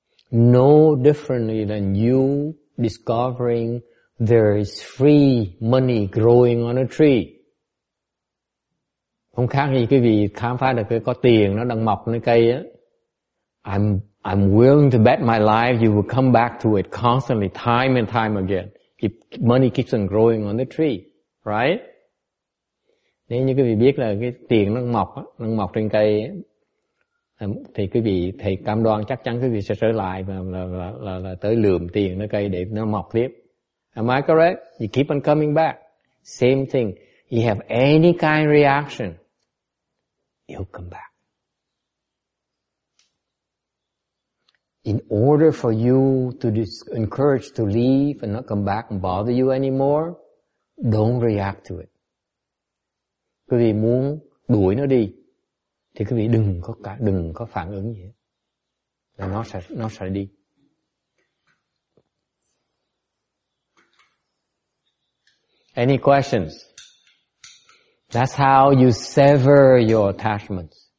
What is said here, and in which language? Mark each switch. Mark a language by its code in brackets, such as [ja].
[en] No differently than you discovering there is free money growing on a tree. [vi] Không khác gì quý vị khám phá được cái có tiền nó đang mọc nơi cây á. [en] I'm willing to bet my life you will come back to it constantly, time and time again, if money keeps on growing on the tree, right? [vi] Nếu như quý vị biết là cái tiền nó mọc á, nó mọc trên cây á, thì quý vị thầy cam đoan chắc chắn quý vị sẽ trở lại và là tới lượm tiền nó cây để nó mọc tiếp. [en] Am I correct? You keep on coming back. Same thing. You have any kind of reaction, you'll come back. In order for you to encourage to leave and not come back and bother you anymore, don't react to it. [vi] Quý vị muốn đuổi nó đi thì quý vị đừng có phản ứng gì hết. Là nó sẽ đi. [en] Any questions? That's how you sever your attachments.